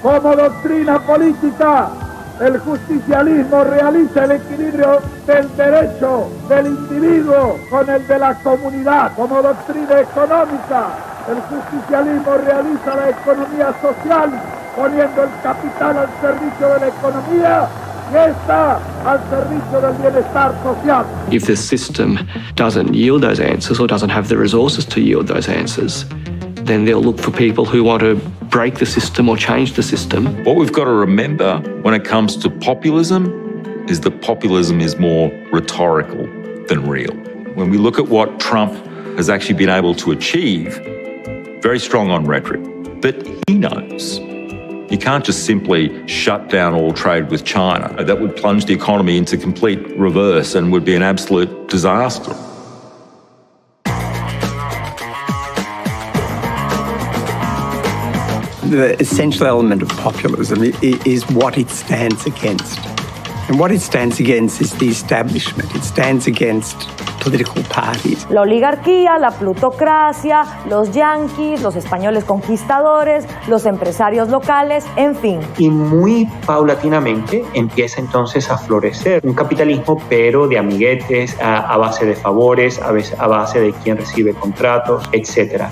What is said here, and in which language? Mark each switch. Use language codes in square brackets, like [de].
[es] Como doctrina política, el justicialismo realiza el equilibrio del derecho del individuo con el de la comunidad. Como doctrina económica, el justicialismo realiza la economía social, poniendo el capital al servicio de la economía y esta al servicio del bienestar social. [en] If the system doesn't yield those answers or doesn't have the resources to yield those answers, then they'll look for people who want to break the system or change the system. What we've got to remember when it comes to populism is that populism is more rhetorical than real. When we look at what Trump has actually been able to achieve, very strong on rhetoric, but he knows. You can't just simply shut down all trade with China. That would plunge the economy into complete reverse and would be an absolute disaster. The essential element of populism is what it stands against. And what it stands against is the establishment. It stands against political parties. [es] La oligarquía, la plutocracia, los yanquis, los españoles conquistadores, los empresarios locales, en fin. Y muy paulatinamente empieza entonces a florecer un capitalismo, pero de amiguetes, a base de favores, a base de quien recibe contratos, etc.